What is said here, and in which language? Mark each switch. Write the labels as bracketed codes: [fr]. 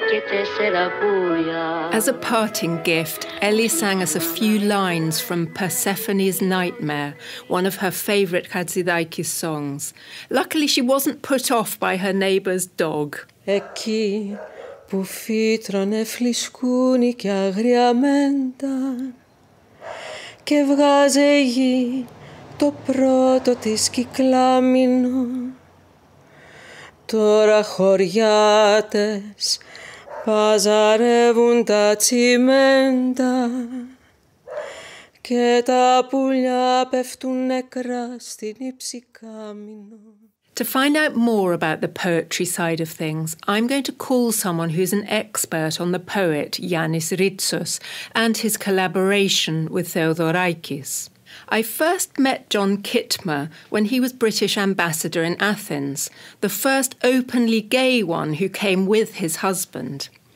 [en] As a parting gift, Elly sang us a few lines from Persephone's Nightmare, one of her favourite Xatzidakis songs. Luckily, she wasn't put off by her neighbour's dog. [el] Εκεί που φύτρωνε φλισκούνι και αγριαμέντα και βγάζε γη το πρώτο της κυκλάμινο. Τώρα χωριάτες παζαρεύουν τα τσιμέντα και τα πουλιά πέφτουν νεκρά στην υψικάμινο. [en] To find out more about the poetry side of things, I'm going to call someone who's an expert on the poet Yiannis Ritsos and his collaboration with Theodorakis. I first met John Kittmer when he was British ambassador in Athens, the first openly gay one who came with his husband.